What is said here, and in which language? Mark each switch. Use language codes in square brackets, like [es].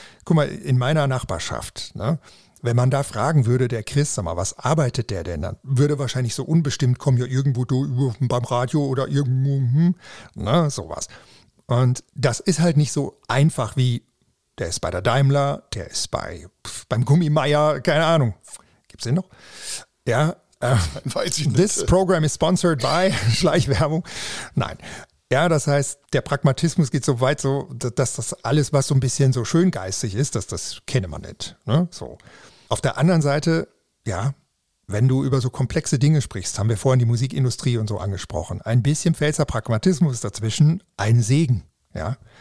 [de] Guck mal, in meiner Nachbarschaft, ne, wenn man da fragen würde, der Chris, sag mal, was arbeitet der denn? Dann würde wahrscheinlich so unbestimmt kommen, ja, irgendwo du beim Radio oder irgendwo, sowas. Und das ist halt nicht so einfach wie, der ist bei der Daimler, der ist beim Gummimeier, keine Ahnung. Gibt's den noch? Ja. Weiß ich nicht. [en] This program is sponsored by Schleichwerbung. [de] Nein. Ja, das heißt, der Pragmatismus geht so weit, so, dass das alles, was so ein bisschen so schöngeistig ist, dass das kenne man nicht. Ne? So. Auf der anderen Seite, ja, wenn du über so komplexe Dinge sprichst, haben wir vorhin die Musikindustrie und so angesprochen, ein bisschen Pfälzer Pragmatismus dazwischen, ein Segen. Ja.